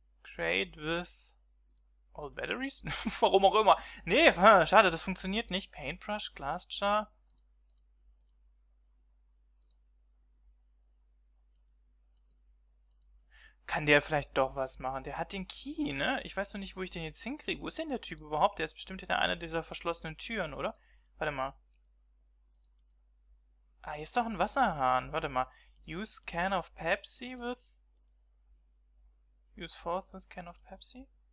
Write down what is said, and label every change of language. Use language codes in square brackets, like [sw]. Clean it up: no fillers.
[en] Trade with all batteries? [de] Warum auch immer. Nee, schade, das funktioniert nicht. Paintbrush, Glass Jar. Kann der vielleicht doch was machen? Der hat den Key, ne? Ich weiß noch nicht, wo ich den jetzt hinkriege. Wo ist denn der Typ überhaupt? Der ist bestimmt hinter einer dieser verschlossenen Türen, oder? Warte mal. Ah, hier ist doch ein Wasserhahn. Warte mal. [en] Use can of Pepsi with... Use fourth with can of Pepsi.